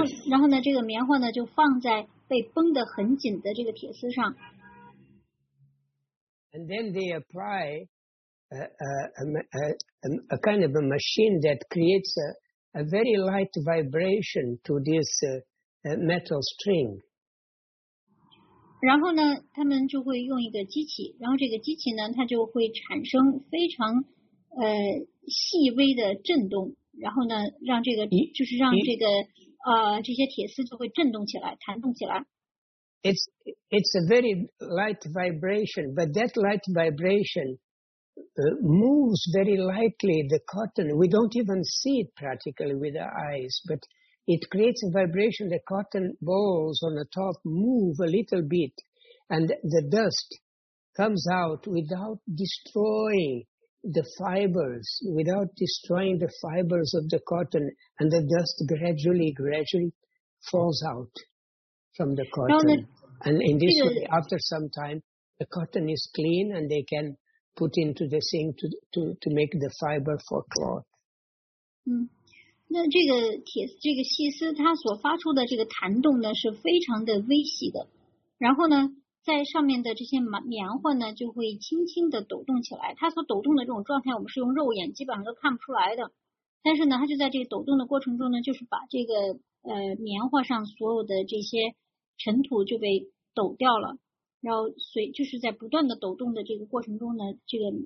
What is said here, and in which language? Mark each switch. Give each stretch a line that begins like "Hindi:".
Chinese: 然后呢这个棉花呢就放在被绷得很紧的这个铁丝上。
English: And then they apply a kind of a machine that creates a very light vibration to this metal string.
Chinese: 然后呢，他们就会用一个机器，然后这个机器呢，它就会产生非常细微的震动，然后呢，让这个就是让这个这些铁丝就会震动起来，弹动起来。
English: It's a very light vibration, but that light vibration moves very lightly the cotton. We don't even see it practically with our eyes, but it creates a vibration. The cotton balls on the top move a little bit, and the dust comes out without destroying the fibers, without destroying the fibers of the cotton, and the dust gradually falls out from the cotton. And in this way, after some time, the cotton is clean and they can put into the sink to make the fiber for cloth.
Chinese: 那这个铁这个细丝它所发出的这个弹动呢是非常的微细的，然后呢在上面的这些棉花呢就会轻轻的抖动起来，它所抖动的这种状态我们是用肉眼基本上都看不出来的，但是呢它就在这个抖动的过程中呢就是把这个棉花上所有的这些尘土就被抖掉了，然后随就是在不断的抖动的这个过程中呢这个